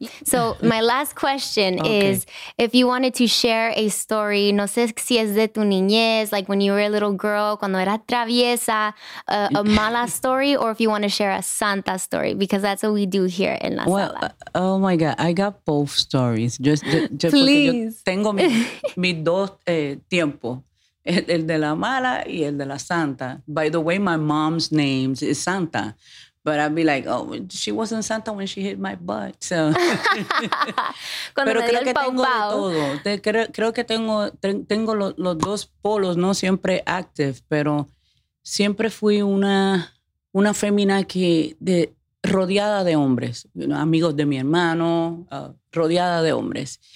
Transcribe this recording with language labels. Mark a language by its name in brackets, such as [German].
[English] So my last question okay. is, if you wanted to share a story, [Spanish] no sé si es de tu niñez, [English] like when you were a little girl, [Spanish] cuando era traviesa, [English] a mala story, or if you want to share a santa story, because that's what we do here in La Sala. Well, oh my God, I got both stories. Just please. [Spanish] Porque yo tengo mi dos tiempos. El de la mala y el de la santa. By the way, my mom's name is Santa. But I'd be like, oh, she wasn't Santa when she hit my butt. [English] So. [Spanish] Pero creo que, pau, tengo pau. De todo. Creo que tengo los dos polos, no siempre active, pero siempre fui una fémina que rodeada de hombres, amigos de mi hermano, rodeada de hombres.